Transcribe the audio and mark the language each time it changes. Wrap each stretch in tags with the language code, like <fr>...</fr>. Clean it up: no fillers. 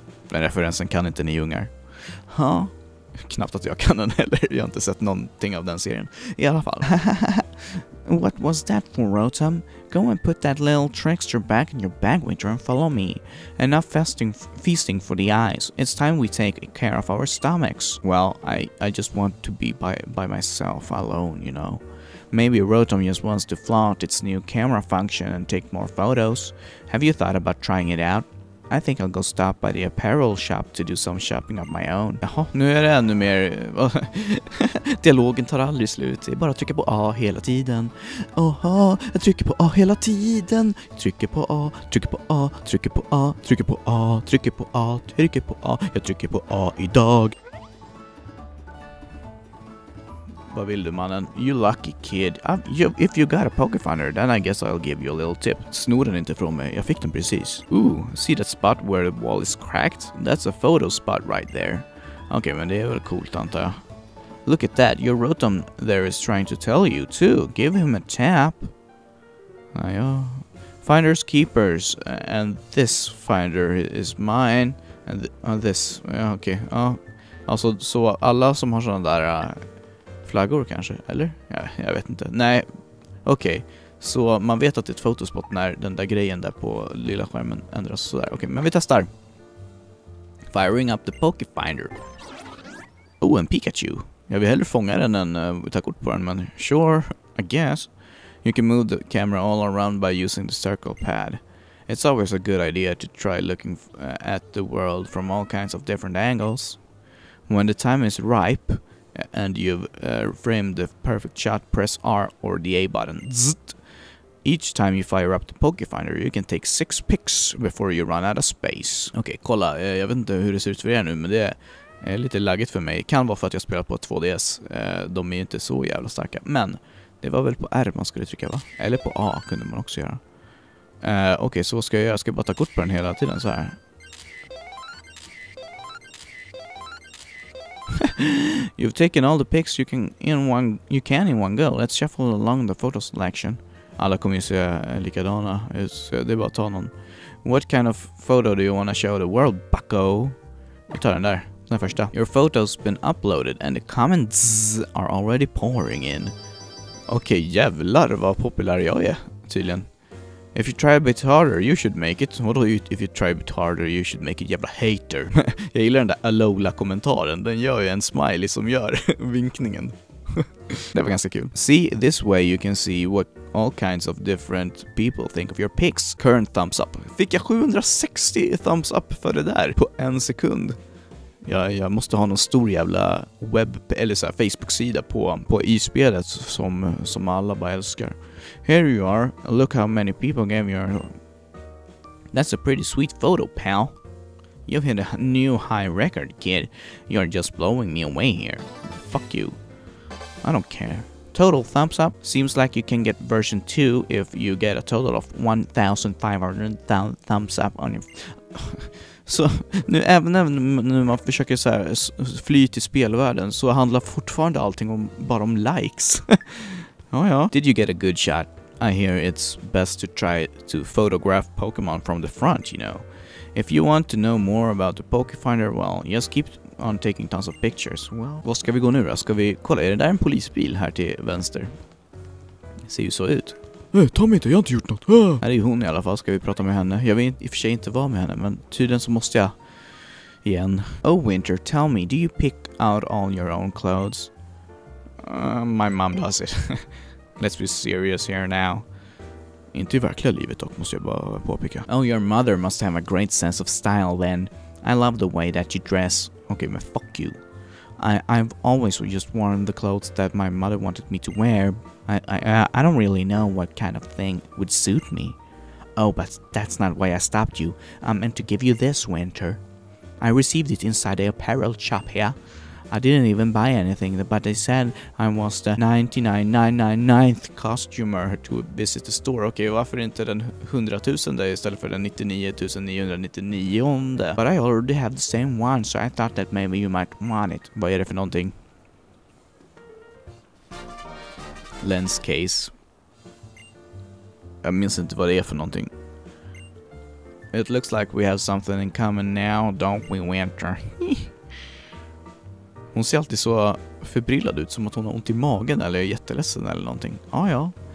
<sv>Den referensen kan inte ni ungar. Ja. Huh? Knappt att jag kan den heller. Jag har inte sett någonting av den serien. I alla fall.</sv> <en>What was that for, Rotom? Go and put that little trickster back in your bag, Winter, and follow me. Enough feasting for the eyes. It's time we take care of our stomachs. Well, I just want to be by myself alone, you know. Maybe Rotom just wants to flaunt its new camera function and take more photos. Have you thought about trying it out? I think I'll go stop by the apparel shop to do some shopping of my own.</en> <sv>Jaha, nu är det ännu mer... Dialogen tar aldrig slut. Det är bara att trycka på A hela tiden. Aha, jag trycker på A hela tiden. Trycker på A, trycker på A, trycker på A, trycker på A, trycker på A, trycker på A. Jag trycker på A idag. Vad vill du, mannen?</sv> <en>You lucky kid. If you got a Pokefinder, then I guess I'll give you a little tip.</en> <sv>Snor den inte från mig. Jag fick den precis.</sv> <en>Ooh, see that spot where the wall is cracked? That's a photo spot right there.</en> <sv>Okej, men det är väl coolt, antar jag.</sv> <en>Look at that. Your Rotom there is trying to tell you, too. Give him a tap. Ja. Finders keepers. And this finder is mine. And this.</en> <sv>Ja, okej. Alltså, så alla som har sådana där... flaggor kanske, eller? Jag vet inte. Nej, okej. Okay. Så man vet att det är ett fotospot när den där grejen där på lilla skärmen ändras så där. Okej, okay, men vi testar.</sv> <en>Firing up the Pokefinder.</en> <sv>Oh, en Pikachu. Jag vill hellre fånga den än ta kort på den, men</sv> <en>sure, I guess. You can move the camera all around by using the circle pad. It's always a good idea to try looking at the world from all kinds of different angles. When the time is ripe... and you've framed the perfect shot, press R or the A button. Zzt. Each time you fire up the Pokefinder, you can take 6 pics before you run out of space.</en> <sv>Okej, kolla. Jag vet inte hur det ser ut för er nu, men det är lite laggigt för mig. Kan vara för att jag spelar på 2DS. De är ju inte så jävla starka. Men det var väl på R man skulle trycka, va? Eller på A kunde man också göra. Okej, så vad ska jag göra? Ska jag bara ta kort på den hela tiden så här?</sv> <en>You've taken all the pics you can in one go. Let's shuffle along the photo selection.</en> <sv>Alla kommer ju se likadana. Det är bara att ta någon.</sv> <en>What kind of photo do you want to show the world, bucko?</en> <sv>Jag tar den där. Den första.</sv> <en>Your photo's been uploaded and the comments are already pouring in.</en> <sv>Okej, jävlar vad populär jag är, tydligen.</sv> <en>If you try a bit harder, you should make it. What do you, if you try a bit harder, you should make it,</en> <sv>jävla hater. Jag gillar den där Alola-kommentaren. Den gör ju en smiley som gör vinkningen. Det var ganska kul.</sv> <en>See, this way you can see what all kinds of different people think of your pics. Current thumbs up.</en> <sv>Fick jag 760 thumbs up för det där på en sekund? Jag måste ha någon stor jävla webb eller så här Facebook-sida på e-spelet som alla bara älskar.</sv> <en>Here you are. Look how many people gave you. That's a pretty sweet photo, pal. You've hit a new high record, kid. You're just blowing me away here. Fuck you. I don't care. Total thumbs up. Seems like you can get version 2 if you get a total of 1,500 thumbs up on your...</en> <sv>Så nu även när man försöker så här fly till spelvärlden så handlar fortfarande allting om bara om likes. Ja.</sv> <en>Did you get a good shot? I hear it's best to try to photograph Pokemon from the front, you know. If you want to know more about the Pokefinder, well, just keep on taking tons of pictures.</en> <sv>Well, vad ska vi gå nu då? Ska vi kolla, är det där en polisbil här till vänster? Det ser ju så ut. Ta mig inte, jag har inte gjort något. Det är hon i alla fall, ska vi prata med henne. Jag vill i och för sig inte vara med henne, men tydligen så måste jag igen.</sv> <en>Oh Winter, tell me, do you pick out all your own clothes? My mom does it. Let's be serious here now.</en> <sv>Inte i verkliga livet dock, måste jag bara påpeka.</sv> <en>Oh, your mother must have a great sense of style then. I love the way that you dress.</en> <sv>Okej, men fuck you.</sv> <en>I've always just worn the clothes that my mother wanted me to wear. I don't really know what kind of thing would suit me. Oh, but that's not why I stopped you. I meant to give you this, Winter. I received it inside the apparel shop here. I didn't even buy anything, but they said I was the 99.999th customer to visit the store.</en> <sv>Okej, varför inte den 100,000 istället för den 99,999?</sv> <en>But I already have the same one, so I thought that maybe you might want it.</en> <sv>Vad är det för någonting? Lens case. Jag minns inte vad det är för någonting.</sv> <en>It looks like we have something in common now, don't we, Winter?</en> <sv>Hon ser alltid så förbrillad ut, som att hon har ont i magen eller är jätteledsen eller någonting. Ah, ja.</sv>